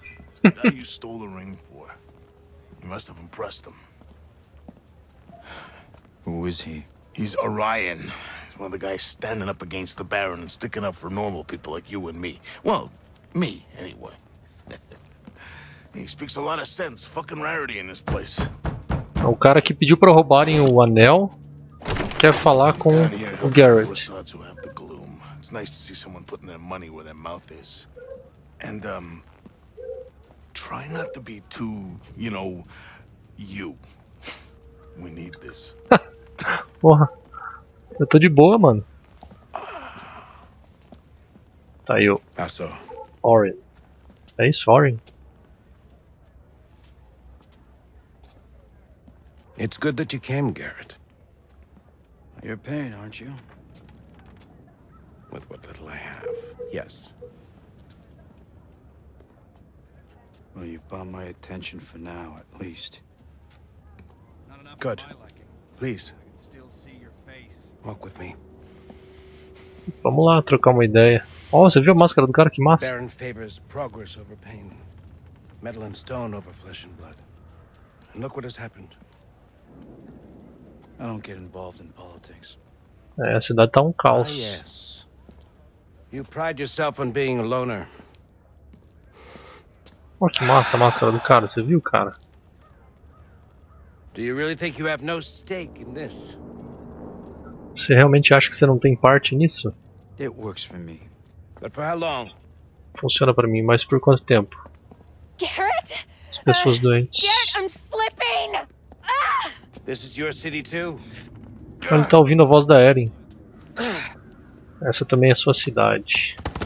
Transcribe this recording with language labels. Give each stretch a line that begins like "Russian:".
English: It's the guy you stole the ring for. You must have impressed him. Who is he? He's Orion. One of the guys standing up against the Baron and sticking up for normal people like you and me. Well, me, anyway. He speaks a lot of sense. Fucking rarity in this place.
Portuguese: O cara que pediu pra roubarem o anel quer falar com o Garrett.
English: It's nice to see someone putting their money where their mouth is. And, try not to be too, you know, you. We need this.
Portuguese: Porra. Eu tô de boa, mano. Tá aí o Orin. É isso, Orin?
English: It's good that you came, Garrett. You're paying, aren't you? With what little I have, yes. Well, you've bought my attention for now, at least. Good. Please. Walk with me.
Portuguese: Vamos lá trocar uma ideia. Oh, você viu a máscara do cara? Que massa.
English: Baron favors progress over pain. Metal and stone over flesh and blood. And look what has happened. I don't get involved in politics.
Portuguese: É, a cidade tá um caos.
English: Ah, yes. You pride yourself on being a loner.
Portuguese: Oh, que massa a máscara do cara. Você viu, cara?
English: Do you really think you have no stake in this?
Portuguese: Você realmente acha que você não tem parte nisso? Funciona pra mim, mas por quanto tempo?
English: Garrett?
Portuguese: As pessoas doentes.
English: Garrett, I'm slipping. This is your city too.
Portuguese: Ele tá ouvindo a voz da Erin. Essa também é a sua cidade.